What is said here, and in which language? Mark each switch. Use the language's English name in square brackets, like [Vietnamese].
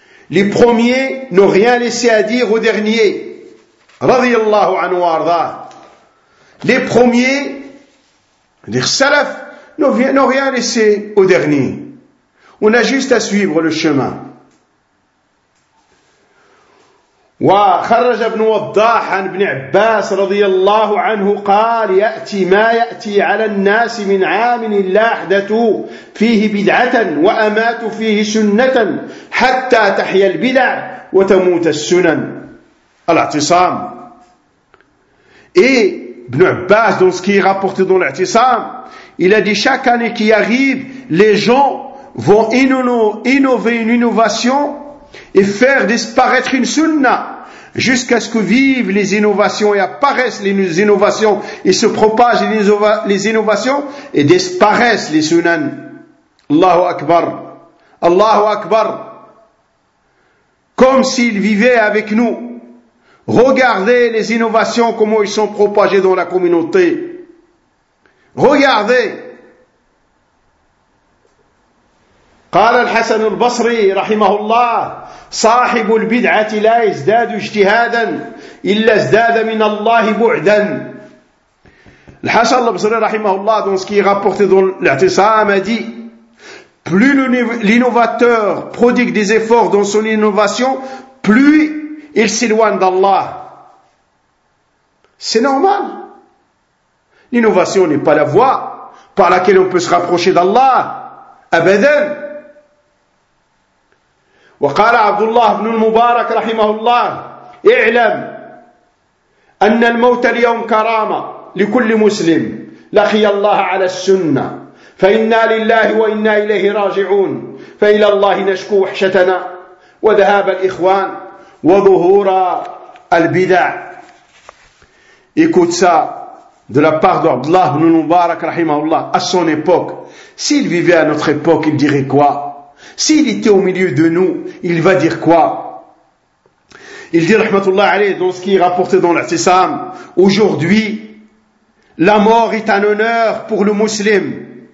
[French] Les premiers n'ont rien laissé à dire aux derniers. [Arabic] Radiyallahu anhu wa arda. [French] Les premiers, les salaf, n'ont rien laissé aux derniers. On a juste à suivre le chemin. [Arabic] وخرج ابن وضاح عن ابن عباس رضي الله عنه قال يأتي ما يأتي على الناس من عام إلا أحدثوا فيه بدعة وأماتوا فيه سنة حتى تحيا البدع وتموت السنن. الاعتصام. [French] ابن عباس dans ce qui est rapporté dans l'اعتصام, il a dit chaque année qui arrive, les gens vont innover une innovation et faire disparaître une sunna. Jusqu'à ce que vivent les innovations et apparaissent les innovations et se propagent les innovations et disparaissent les sunan. [Arabic] Allahu Akbar. Allahu Akbar. [French] Comme s'ils vivaient avec nous. Regardez les innovations, comment ils sont propagés dans la communauté. Regardez. [Arabic] قال الحسن البصري رحمه الله صاحب البدعة لا يزداد اجتهادا إلا ازداد من الله بعدا. [French] الحسن البصري [Arabic] رحمه الله [French] dans ce qui est rapporté dans l'Ihtisam a dit, plus l'innovateur prodigue des efforts dans son innovation, plus il s'éloigne d'Allah. C'est normal. L'innovation n'est pas la voie par laquelle on peut se rapprocher d'Allah. [Arabic] Abadan. وقال عبد الله بن المبارك رحمه الله اعلم أن الموت اليوم كرامة لكل مسلم لقي الله على السنة فإنا لله وإنا إليه راجعون فإلى الله نشكو وحشتنا وذهاب الإخوان وظهور البدع. [French] Écoute ça de la part d'Abdullah ibn Mubarak rahimahullah à son époque. S'il vivait à notre époque, il dirait quoi? S'il était au milieu de nous, il va dire quoi? Il dit [Arabic] rahmatullah alayh [French] dans ce qui est rapporté dans l'Atisam, aujourd'hui la mort est un honneur pour le musulman.